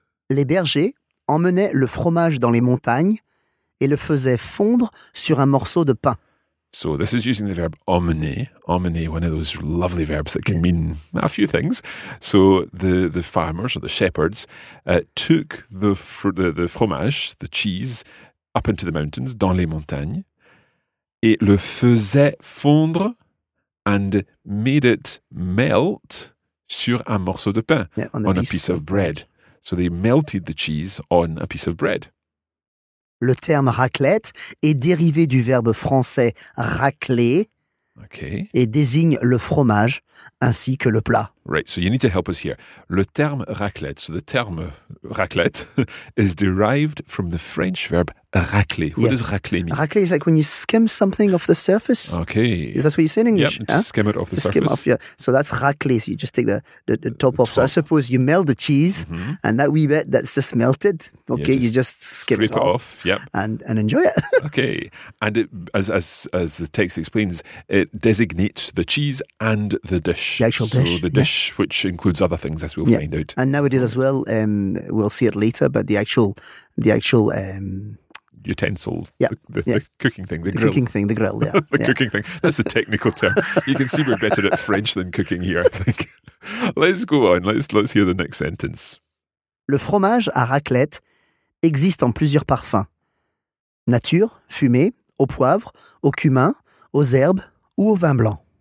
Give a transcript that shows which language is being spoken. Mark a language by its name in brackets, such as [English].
[French] Les bergers emmenaient le fromage dans les montagnes et le faisaient fondre sur un morceau de pain. [English] So this is using the verb emmener. Emmener, one of those lovely verbs that can mean a few things. So the farmers or the shepherds took the fromage, the cheese, up into the mountains, [French] dans les montagnes, et le faisait fondre [English] and made it melt [French] sur un morceau de pain, [English] on a piece of bread. So they melted the cheese on a piece of bread. [French] Le terme raclette est dérivé du verbe français racler et désigne le fromage ainsi que le plat. [English] Right, so you need to help us here. [French] Le terme raclette, [English] so the term raclette, is derived from the French verb racler. What does racler mean? Racler is like when you skim something off the surface. Okay. Is that what you say in English? Yeah, to skim it off the surface. Skim off, yeah. So that's racler, so you just take the top off. Top. So I suppose you melt the cheese, mm-hmm. and that wee bit that's just melted, okay, yeah, just skim it off. Yep. And enjoy it. Okay. And it, as the text explains, it designates the cheese and the dish. The actual dish. So the dish, yeah. which includes other things, as we'll find out. And nowadays as well, we'll see it later, but the actual utensil, the cooking thing, the grill. Cooking thing, the grill, yeah. the cooking thing. That's the technical term. You can see we're better at French than cooking here, I think. Let's go on. Let's hear the next sentence. [French] Le fromage à raclette existe en plusieurs parfums. Nature, fumé, au poivre, au cumin, aux herbes ou au vin blanc.